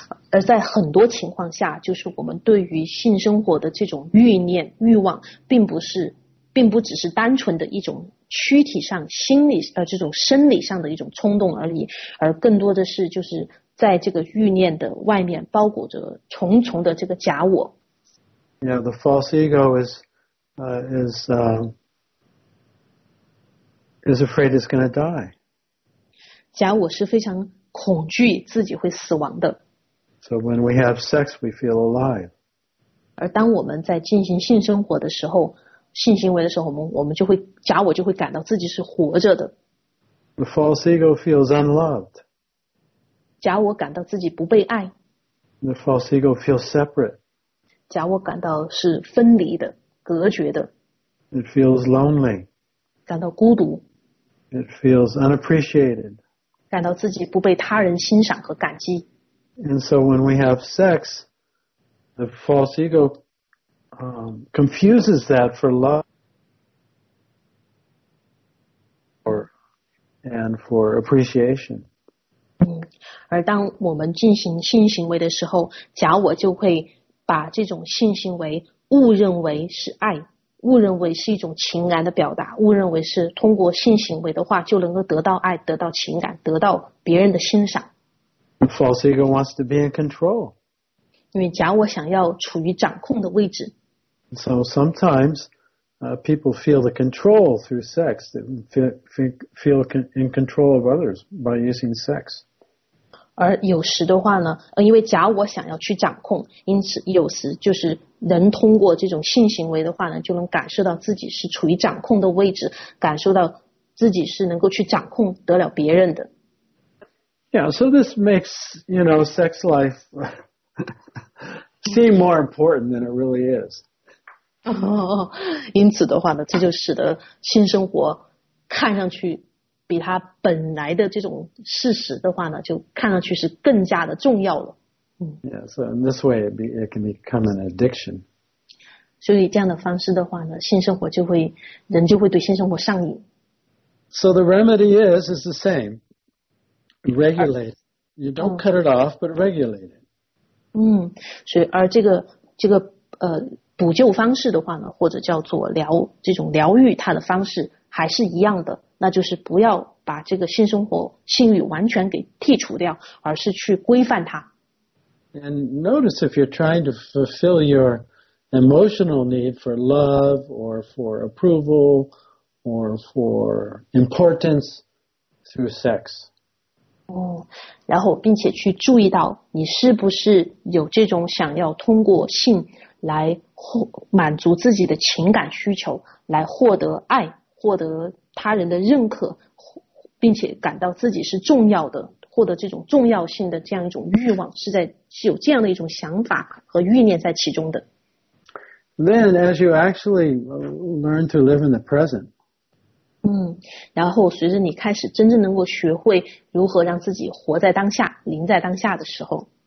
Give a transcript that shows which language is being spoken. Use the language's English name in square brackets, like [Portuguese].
[Chinese] 而在很多情况下，就是我们对于性生活的这种欲念欲望，并不只是单纯的一种躯体上心理这种生理上的一种冲动而已，而更多的是就是在这个欲念的外面包裹着重重的这个假我。 [English] Yeah, the false ego is afraid it's going to die. [Chinese] 假我是非常。恐惧自己会死亡的。 [English] So when we have sex, we feel alive. [Chinese] 而当我们在进行性生活的时候，性行为的时候，我们就会假我就会感到自己是活着的。 [English] The false ego feels unloved. [Chinese] 假我感到自己不被爱。 [English] The false ego feels separate. [Chinese] 假我感到是分离的，隔绝的。 [English] It feels lonely. [Chinese] 感到孤独。 [English] It feels unappreciated. [Chinese] 感到自己不被他人欣赏和感激。 [English] And so when we have sex, the false ego, confuses that for love and for appreciation. [Chinese] 而当我们进行性行为的时候，假我就会把这种性行为误认为是爱，误认为是一种情感的表达，误认为是通过性行为的话就能够得到爱，得到情感，得到别人的欣赏。 [English] False ego wants to be in control. [Chinese] 因为假我想要处于掌控的位置。 [English] So sometimes, people feel the control through sex, feel in control of others by using sex. [Chinese] 而有时的话呢，因为假我想要去掌控，因此有时就是。能通过这种性行为的话呢，就能感受到自己是处于掌控的位置，感受到自己是能够去掌控得了别人的。 [English] Yeah, so this makes, sex life seem more important than it really is. [Chinese] 哦，因此的话呢，这就使得性生活看上去比它本来的这种事实的话呢，就看上去是更加的重要了。 [English] Yeah, so in this way, it can become an addiction. [Chinese] 所以这样的方式的话呢，性生活就会，人就会对性生活上瘾。 [English] So the remedy is the same. Regulate. You don't cut it off, but regulate it. [Chinese] 所以而这个补救方式的话呢，或者叫做疗这种疗愈它的方式还是一样的，那就是不要把这个性生活性欲完全给剔除掉，而是去规范它。 [English] And notice if you're trying to fulfill your emotional need for love or for approval or for importance through sex. [Chinese] 然后并且去注意到你是不是有这种想要通过性来满足自己的情感需求，来获得爱，获得他人的认可，并且感到自己是重要的，获得这种重要性的这样一种欲望，是有这样的一种想法和欲念在其中的。 [English] Then, as you actually learn to live in the present, [Chinese] 然后随着你开始真正能够学会如何让自己活在当下，临在当下的时候